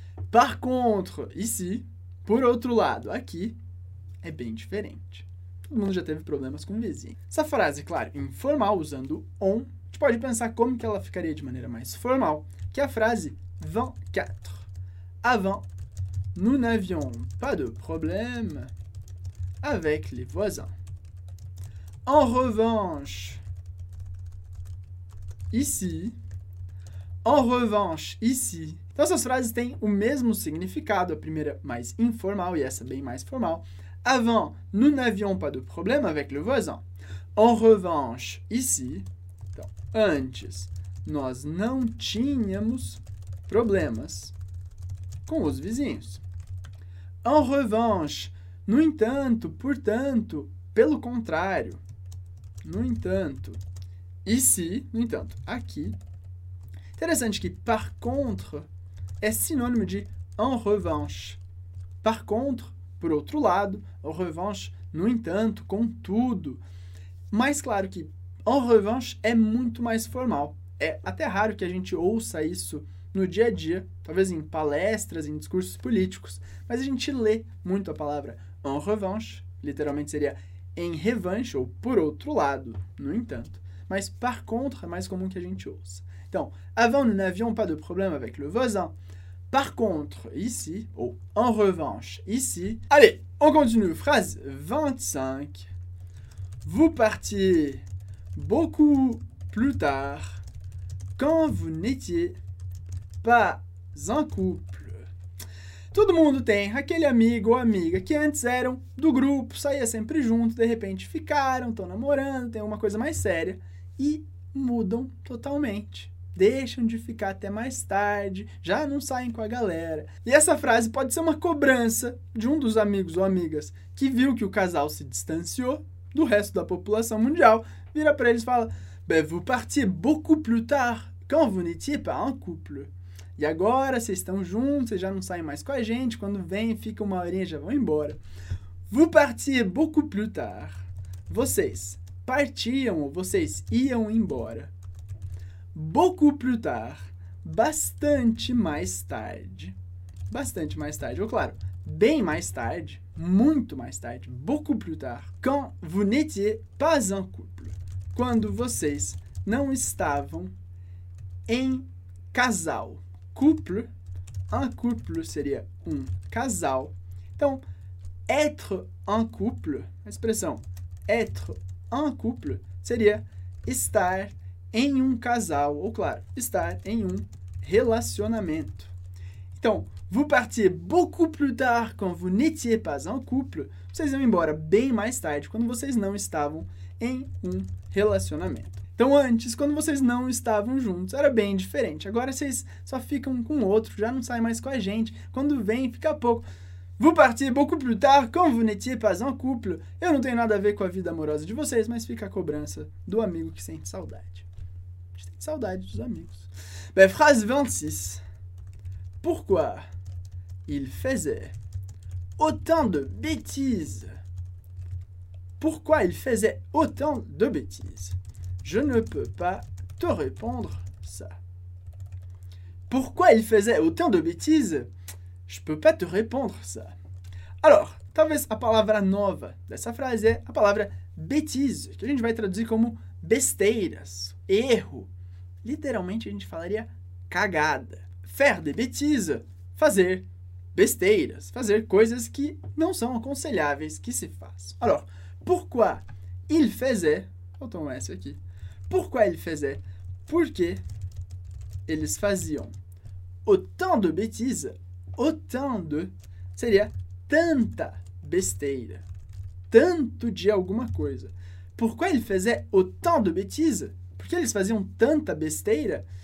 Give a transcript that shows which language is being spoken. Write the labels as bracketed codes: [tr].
[fr] Par contre, ici, [pt] por outro lado, aqui, é bem diferente. Todo mundo já teve problemas com o vizinho. Essa frase, claro, informal, usando on, a gente pode pensar como que ela ficaria de maneira mais formal, que é a frase 24. [fr] Avant, nous n'avions pas de problème avec les voisins. En revanche, ici. En revanche, ici. [pt] Então, essas frases têm o mesmo significado. A primeira mais informal e essa bem mais formal. [fr] Avant, nous n'avions pas de problème avec le voisin. En revanche, ici. [pt] Então, antes, nós não tínhamos problemas com os vizinhos. [fr] En revanche, [pt] no entanto, portanto, pelo contrário. No entanto, [fr] ici, [pt] no entanto, aqui. Interessante que par contre é sinônimo de en revanche. [fr] Par contre, [pt] por outro lado, [fr] en revanche, [pt] no entanto, contudo. Mais claro que [fr] en revanche [pt] é muito mais formal. É até raro que a gente ouça isso no dia a dia, talvez em palestras, em discursos políticos, mas a gente lê muito a palavra [fr] en revanche, [pt] literalmente seria em revanche ou por outro lado, no entanto. Mas [fr] par contre [pt] é mais comum que a gente ouça. [fr] Então, avant nous n'avions pas de problème avec le voisin. Par contre, ici, ou en revanche, ici. Allez, on continue. Phrase 25. Vous partiez beaucoup plus tard quand vous n'étiez pas en couple. [pt] Todo mundo tem aquele amigo ou amiga que antes eram do grupo, saía sempre junto, de repente ficaram, estão namorando, tem alguma coisa mais séria e mudam totalmente. Deixam de ficar até mais tarde, já não saem com a galera. E essa frase pode ser uma cobrança de um dos amigos ou amigas que viu que o casal se distanciou do resto da população mundial, vira pra eles e fala: [fr] ben, vous partiez beaucoup plus tard quand vous n'étiez pas en couple. [pt] E agora vocês estão juntos, vocês já não saem mais com a gente, quando vem, fica uma horinha e já vão embora. [fr] Vous partiez beaucoup plus tard. [pt] Vocês partiam ou vocês iam embora. [fr] Beaucoup plus tard, [pt] bastante mais tarde. Bastante mais tarde, ou claro, bem mais tarde, muito mais tarde, [fr] beaucoup plus tard, quand vous n'étiez pas en couple. [pt] Quando vocês não estavam em casal. Couple, [fr] un couple [pt] seria um casal. Então, [fr] être en couple, [pt] a expressão être en couple seria estar em um casal, ou claro, estar em um relacionamento. [fr] Então, vous partiez beaucoup plus tard quand vous n'étiez pas en couple. [pt] Vocês iam embora bem mais tarde, quando vocês não estavam em um relacionamento. Então, antes, quando vocês não estavam juntos, era bem diferente. Agora, vocês só ficam com o outro, já não saem mais com a gente. Quando vem, fica pouco. [fr] Vous partiez beaucoup plus tard quand vous n'étiez pas en couple. [pt] Eu não tenho nada a ver com a vida amorosa de vocês, mas fica a cobrança do amigo que sente saudade. Saudade dos amigos. [fr] Ben, phrase 26. Pourquoi il faisait autant de bêtises? Pourquoi il faisait autant de bêtises? Je ne peux pas te répondre ça. Pourquoi il faisait autant de bêtises? Je peux pas te répondre ça. Alors, [pt] talvez a palavra nova dessa frase é a palavra bêtise, que a gente vai traduzir como besteiras, erro. Literalmente, a gente falaria cagada. [fr] Faire des bêtises, [pt] fazer besteiras, fazer coisas que não são aconselháveis que se façam. [fr] Alors, pourquoi il faisait, [pt] faltou um S aqui, [fr] pourquoi il faisait, [pt] porque eles faziam [fr] autant de bêtises, autant de, [pt] seria tanta besteira, tanto de alguma coisa. [fr] Pourquoi il faisait autant de bêtises? [pt] Por que eles faziam tanta besteira?